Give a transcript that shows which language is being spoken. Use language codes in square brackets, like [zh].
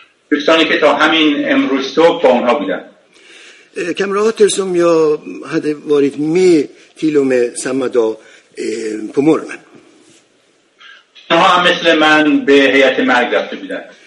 [fa] دوستانی که تا همین امروز تو با اونها بودن. [sv] Kamrater som jag hade varit med till och med samma dag på morgonen. [fa] اونها هم مثل من به هیئت مرگ رفته بودن.